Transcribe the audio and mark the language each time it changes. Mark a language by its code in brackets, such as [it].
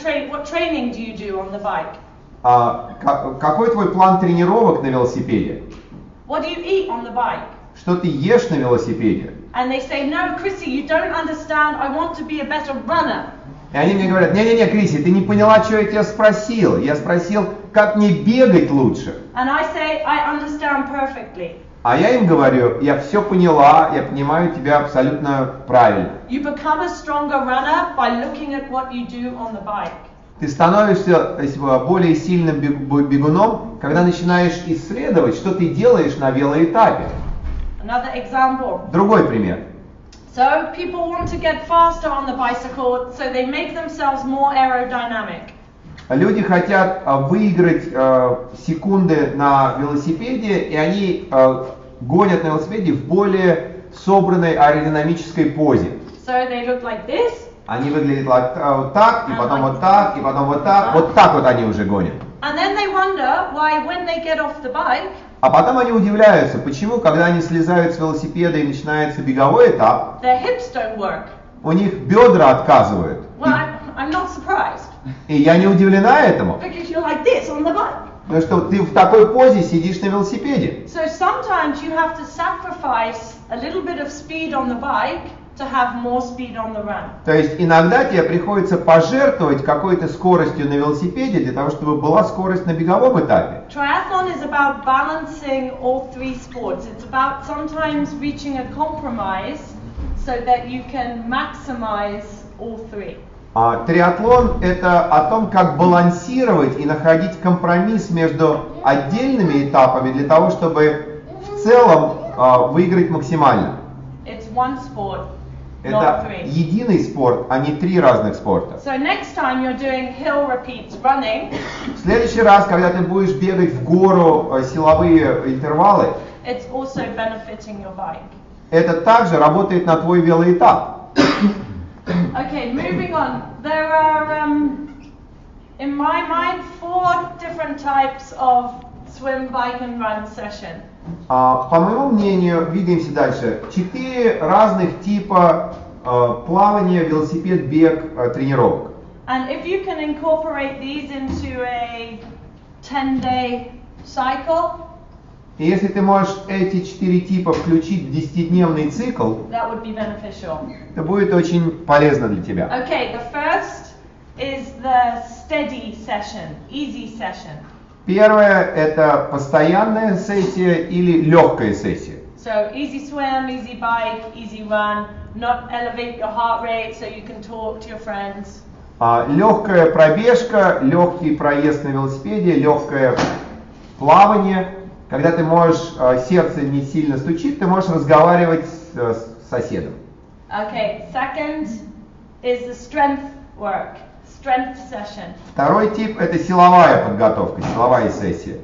[en] What training do you do on the bike? [ru] Какой твой план тренировок на велосипеде? [en] What do you eat on the bike? [ru] Что ты ешь на велосипеде? [en] And they say, no, Chrissy, you don't understand. I want to be a better runner. [ru] И они мне говорят, не-не-не, Крисси, ты не поняла, что я тебя спросил. Я спросил, как мне бегать лучше. [en] And I say, I understand perfectly. [ru] А я им говорю, я все поняла, я понимаю тебя абсолютно правильно. [en] You become a stronger runner by looking at what you do on the bike. [ru] Ты становишься более сильным бегуном, когда начинаешь исследовать, что ты делаешь на велоэтапе. [en] Another example. [ru] Другой пример. [en] So people want to get faster on the bicycle, so they make themselves more aerodynamic. [ru] Люди хотят выиграть секунды на велосипеде, и они гонят на велосипеде в более собранной аэродинамической позе. [en] So they look like this. [ru] Они выглядят вот так, и потом like вот так, и потом вот так. Вот так вот они уже гонят. [en] And then they wonder why when they get off the bike. [ru] А потом они удивляются, почему, когда они слезают с велосипеда и начинается беговой этап, [en] their hips don't work. [ru] У них бедра отказывают. [en] Well, I'm not surprised. [ru] И я не удивлена этому. [en] Because you're like this on the bike. [ru] Потому что ты в такой позе сидишь на велосипеде. [en] So sometimes you have to sacrifice a little bit of speed on the bike to have more speed on the run. [ru] То есть иногда тебе приходится пожертвовать какой-то скоростью на велосипеде для того, чтобы была скорость на беговом этапе. [en] Triathlon is about balancing all three sports. It's about sometimes reaching a compromise so that you can maximize all three. [ru] Триатлон – это о том, как балансировать и находить компромисс между отдельными этапами для того, чтобы в целом выиграть максимально. [en] It's one sport, [ru] это [en] not three. [ru] Единый спорт, а не три разных спорта. [en] So next time you're doing hill repeats, running. [ru] В следующий раз, когда ты будешь бегать в гору силовые интервалы, [en] it's also benefiting your bike. [ru] Это также работает на твой велоэтап. [en] Okay, moving on. There are, in my mind, four different types of swim, bike, and run session. [ru] По моему мнению, двигаемся дальше. Четыре разных типа плавания, велосипед, бег, тренировок. [en] And if you can incorporate these into a 10-day cycle. [ru] И если ты можешь эти четыре типа включить в 10-дневный цикл, [en] that would be beneficial. [ru] Это будет очень полезно для тебя. [en] Okay, the first is the steady session, easy session. [ru] Первое – это постоянная сессия или легкая сессия. [en] So easy swim, easy bike, easy run, not elevate your heart rate so you can talk to your friends. [ru] Легкая пробежка, легкий проезд на велосипеде, легкое плавание. Когда ты можешь, сердце не сильно стучит, ты можешь разговаривать с соседом. [en] Okay, second is the strength work, strength session. [ru] Второй тип – это силовая подготовка, силовая сессия.